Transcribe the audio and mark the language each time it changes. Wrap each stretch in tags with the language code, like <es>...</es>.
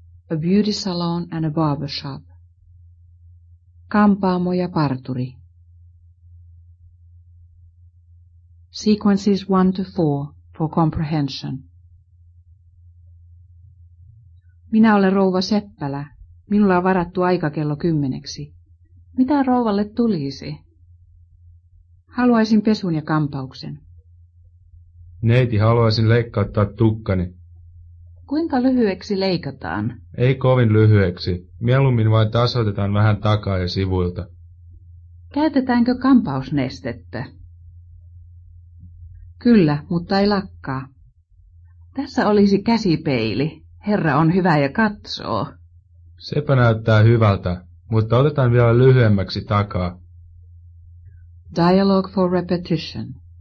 <en>A beauty salon and a barbershop.</en> <fi>Kampaamo ja parturi.</fi> <en>Sequences 1 to 4 for comprehension.</en> <fi>Minä olen rouva Seppälä. Minulla on varattu aika kello 10:00. Mitä rouvalle tulisi? Haluaisin pesun ja kampauksen. Neiti, haluaisin leikkauttaa tukkani. Kuinka lyhyeksi leikataan? Ei kovin lyhyeksi. Mieluummin vain tasoitetaan vähän takaa ja sivuilta. Käytetäänkö kampausnestettä? Kyllä, mutta ei lakkaa. Tässä olisi käsipeili. Herra on hyvä ja katsoo. Sepä näyttää hyvältä, mutta otetaan vielä lyhyemmäksi takaa.</fi> <en>Dialogue for repetition.</en>